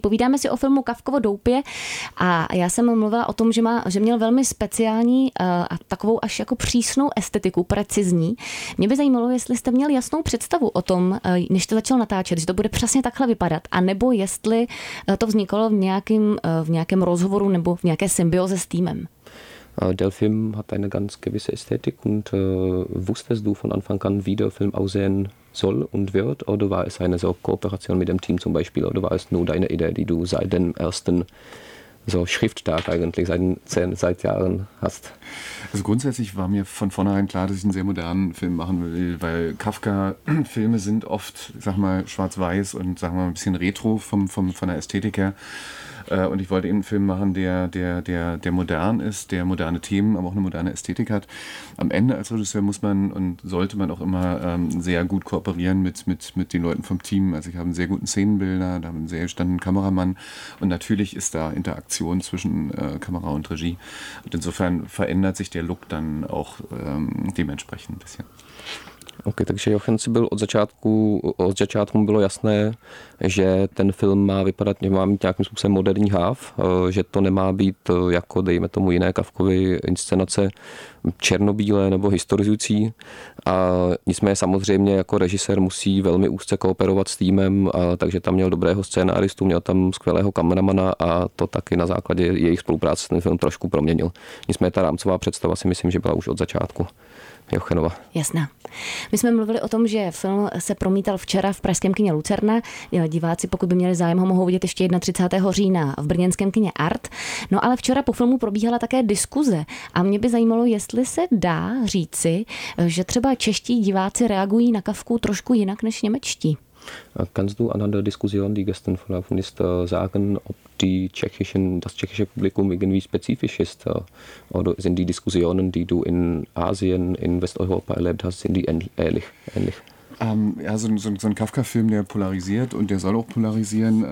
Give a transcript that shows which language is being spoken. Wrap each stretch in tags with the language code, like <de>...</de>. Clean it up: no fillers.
<cs>Povídáme si o filmu Kafkovo doupě a já jsem mluvila o tom, že měl velmi speciální a takovou až jako přísnou estetiku, precizní. Mě by zajímalo, jestli jste měl jasnou představu o tom, než to začal natáčet, že to bude přesně takhle vypadat, anebo jestli to vzniklo v nějakém rozhovoru nebo v nějaké symbioze s týmem.</cs> <de>Der Film hat eine ganz gewisse Ästhetik und wusstest du von Anfang an, wie der Film aussehen soll und wird oder war es eine so Kooperation mit dem Team zum Beispiel oder war es nur deine Idee, die du seit dem ersten so Schrifttag eigentlich seit Jahren hast? Also grundsätzlich war mir von vornherein klar, dass ich einen sehr modernen Film machen will, weil Kafka-Filme sind oft, sag mal, schwarz-weiß und sag mal ein bisschen retro von der Ästhetik her. Und ich wollte eben einen Film machen, der modern ist, der moderne Themen, aber auch eine moderne Ästhetik hat. Am Ende als Regisseur muss man und sollte man auch immer sehr gut kooperieren mit den Leuten vom Team. Also ich habe einen sehr guten Szenenbilder, da habe einen sehr gestandenen Kameramann und natürlich ist da Interaktion zwischen Kamera und Regie. Und insofern verändert sich der Look dann auch dementsprechend ein bisschen.</de> <cs>Okay, takže Jochen si byl od začátku bylo jasné, že ten film má vypadat, že má mít nějakým způsobem moderní háv, že to nemá být jako, dejme tomu, jiné Kafkovy inscenace černobílé nebo historizující. A nicméně samozřejmě jako režisér musí velmi úzce kooperovat s týmem, takže tam měl dobrého scénáristu, měl tam skvělého kameramana a to taky na základě jejich spolupráce ten film trošku proměnil. Nicméně ta rámcová představa si myslím, že byla už od začátku. Jochenova. Jasná. My jsme mluvili o tom, že film se promítal včera v pražském kině Lucerna. Diváci, pokud by měli zájem, ho mohou vidět ještě 31. října v brněnském kině Art. No ale včera po filmu probíhala také diskuze a mě by zajímalo, jestli se dá říci, že třeba čeští diváci reagují na Kafku trošku jinak než němečtí.</cs> <de>Kannst du anhand der Diskussion, die gestern verlaufen ist, sagen, ob das tschechische Publikum irgendwie spezifisch ist? Oder sind die Diskussionen, die du in Asien, in Westeuropa erlebt hast, sind die ähnlich? So ein Kafka-Film, der polarisiert und der soll auch polarisieren.</de>